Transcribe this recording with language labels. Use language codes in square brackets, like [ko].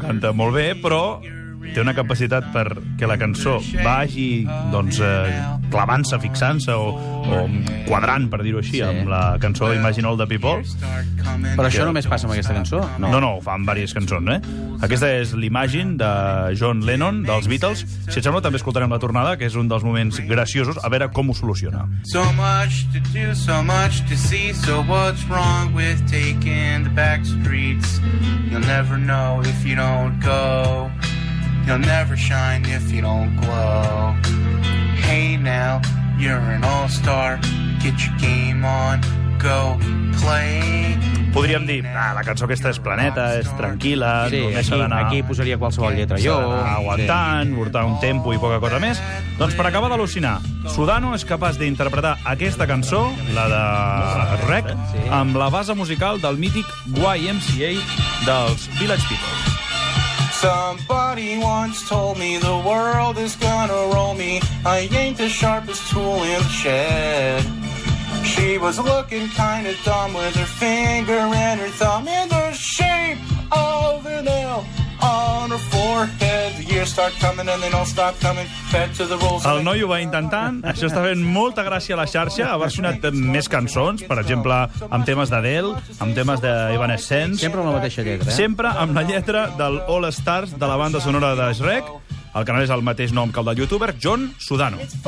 [ca] canta molt bé, però té una capacitat perquè la cançó vagi doncs, clavant-se, fixant-se o quadrant, per dir-ho així, amb la cançó Imagine All the People. Però això només passa amb aquesta cançó? No, ho fa amb diverses cançons, eh? Aquesta és l'Imagine de John Lennon, dels Beatles. Si et sembla, també escoltarem la tornada, que és un dels moments graciosos, a veure com ho soluciona. [en] So much to do, so much to see, so what's wrong with taking the back streets? You'll never know if you don't go. You'll never shine if you don't glow. Hey now, you're an all-star. Get your game on, go play. [ca] Podríem dir, la cançó aquesta és planeta, és tranquil·la, sí, només aquí posaria qualsevol lletra jo. Aguantant, portar un tempo i poca cosa més. Doncs per acabar d'al·lucinar, Sudano és capaç d'interpretar aquesta cançó, la de Rec, amb la base musical del mític YMCA dels Village People. [en] Somebody once told me the world is gonna roll me. I ain't the sharpest tool in the shed. She was looking kind of dumb with her finger and her thumb in the shape of an L on her forehead. The years start coming and they don't stop coming. Fed to the rules. [ca] El noi ho va intentant. Això està fent molta gràcia a la xarxa. Ha versionat més cançons, per exemple, amb temes d'Adele, amb temes d'Evanescence. Sempre amb la mateixa lletra. Sempre amb la lletra del All Stars de la banda sonora de Shrek. El canal és el mateix nom que el de youtuber, John Sudano.